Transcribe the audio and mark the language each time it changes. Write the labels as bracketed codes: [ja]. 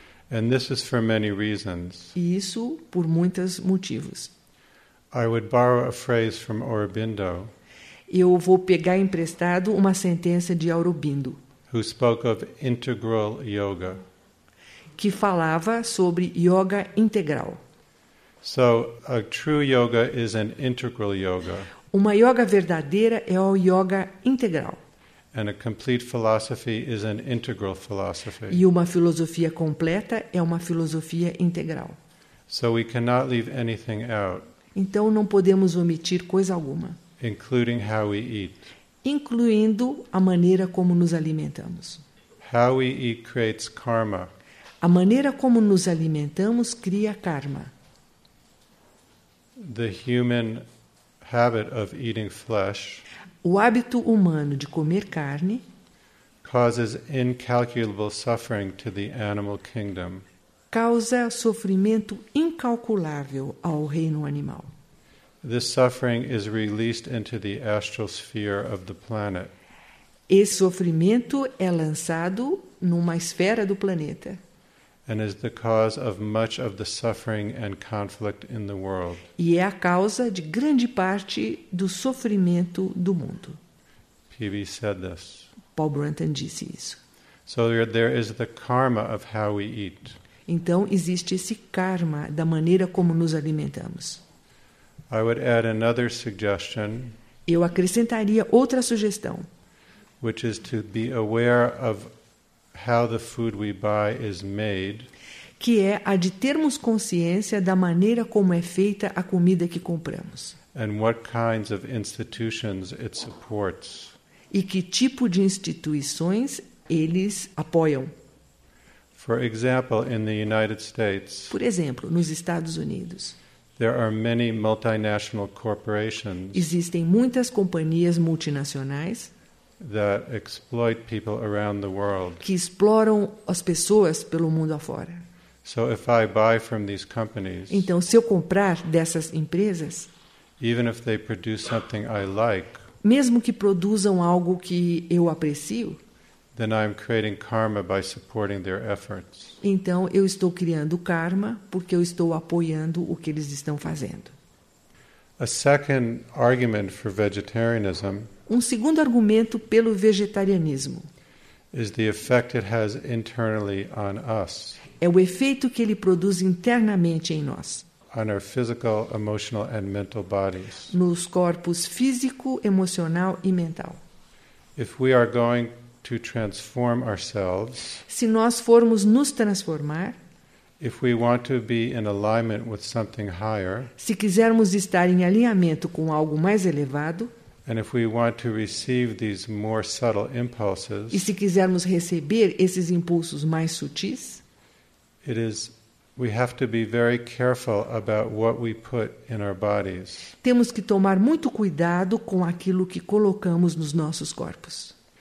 [en] And this is for many reasons. [pt] E isso por muitos motivos. [en] I would borrow a phrase from Aurobindo. [pt] Eu vou pegar emprestado uma sentença de Aurobindo. [en] Who spoke of integral yoga. [pt] Que falava sobre yoga integral. [en] So, a true yoga is an integral yoga. [pt] Uma yoga verdadeira é o yoga integral. [en] And a complete philosophy is an integral philosophy. [pt] E uma filosofia completa é uma filosofia integral. [en] So we cannot leave anything out. [pt] Então não podemos omitir coisa alguma. [en] Including how we eat. [pt] Incluindo a maneira como nos alimentamos. [en] How we eat creates karma. [pt] A maneira como nos alimentamos cria karma. [en] The human habit of eating flesh. [pt] O hábito humano de comer carne causes incalculable suffering to the animal kingdom. Causa sofrimento incalculável ao reino animal. [en] This suffering is released into the astral sphere of the planet. [pt] Esse sofrimento é lançado numa esfera do planeta. [en] And is the cause of much of the suffering and conflict in the world. [pt] E é a causa de grande parte do sofrimento do mundo. [en] PB said this. [pt] Paul Brunton disse isso. [en] So there is the karma of how we eat. [pt] Então existe esse karma da maneira como nos alimentamos. [en] I would add another suggestion. [pt] Eu acrescentaria outra sugestão. [en] Which is to be aware of how the food we buy is made. [pt] Que é a de termos consciência da maneira como é feita a comida que compramos. [en] And what kinds of institutions it supports. [pt] E que tipo de instituições eles apoiam. [en] For example, in the United States. [pt] Por exemplo, nos Estados Unidos. [en] There are many multinational corporations. [pt] Existem muitas companhias multinacionais. [en] That exploit people around the world. [pt] Que exploram as pessoas pelo mundo afora. [en] So if I buy from these companies, [pt] então, se eu comprar dessas empresas, [en] even if they produce something I like, [pt] mesmo que produzam algo que eu aprecio, [en] then I'm creating karma by supporting their efforts. [pt] Então, eu estou criando karma porque eu estou apoiando o que eles estão fazendo. [en] A second argument for vegetarianism. [pt] Um segundo argumento pelo vegetarianismo [en] is the effect it has internally on us. [pt] É o efeito que ele produz internamente em nós. [en] On our physical, emotional, and mental bodies. [pt] Nos corpos físico, emocional e mental. [en] If we are going to transform ourselves, [pt] se nós formos nos transformar, [en] if we want to be in alignment with something higher, [pt] se quisermos estar em alinhamento com algo mais elevado, [en] and if we want to receive these more subtle impulses, [pt] e se quisermos receber esses impulsos mais sutis, [en] we have to be very careful about what we put in our bodies. [pt] Temos que tomar muito cuidado com aquilo que colocamos nos nossos corpos.